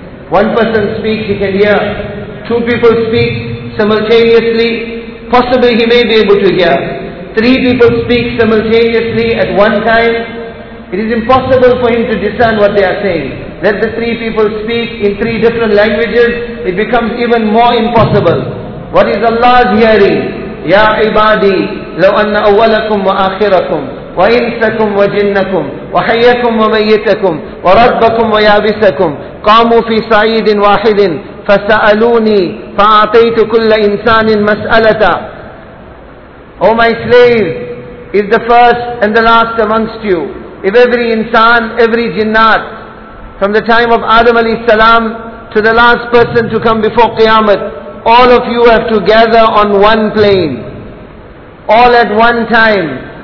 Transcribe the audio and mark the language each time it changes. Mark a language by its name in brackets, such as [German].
[English] One person speaks, he can hear. Two people speak simultaneously, possibly he may be able to hear. Three people speak simultaneously at one time, it is impossible for him to discern what they are saying. Let the three people speak in three different languages, it becomes even more impossible. What is Allah's hearing? [Arabic] يا عبادي لو أن أولكم وآخركم وإنسكم وجنكم وحيكم وميتكم وربكم ويابسكم قاموا في صعيد واحد فسألوني فأعطيت كل إنسان مسألة. [English] O my slave, is the first and the last amongst you. If every insan, every jinnat, from the time of Adam alayhi salam to the last person to come before Qiyamah, all of you have to gather on one plane, all at one time.